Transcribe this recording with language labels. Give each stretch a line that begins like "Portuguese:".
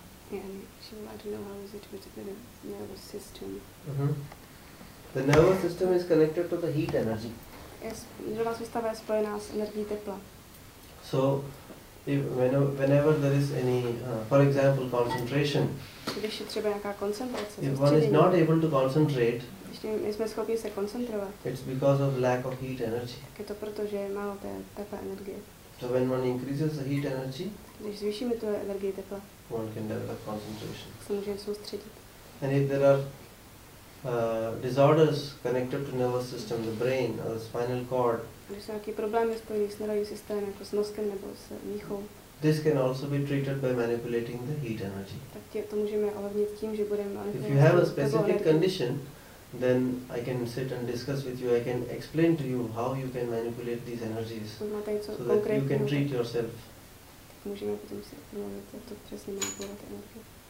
English: Yeah, she would like to know how is it with the nervous system. Mm-hmm. The nervous system is connected to the heat energy.
Czech: Yes, nervová soustava je spojená s energií tepla.
English: So, whenever there is any, for example, concentration.
Czech: Když je třeba nějaká koncentrace.
English: If one is not able to concentrate.
Czech: Když nejsme schopni se koncentrovat.
English: It's because of lack of heat energy.
Czech: Je to proto, že je málo té tepla energie.
English: So when one increases the heat energy.
Czech: Když zvýšíme tu energii tepla.
English: One can develop concentration.
Czech: Se můžeme soustředit.
English: And if there are disorders connected to nervous system, the brain or the spinal cord.
Czech: Když jsou nějaké problémy spojené s nervovým systémem, jako s mozkem nebo s míchou.
English: This can also be treated by manipulating the heat energy.
Czech: Tak to můžeme ovlivnit tím, že budeme manipulovat.
English: If you have a specific condition, then I can sit and discuss with you. I can explain to you how you can manipulate these energies, so that you can treat yourself.
Czech: Můžeme potom si promluvit, jak to přesně manipulovat energie.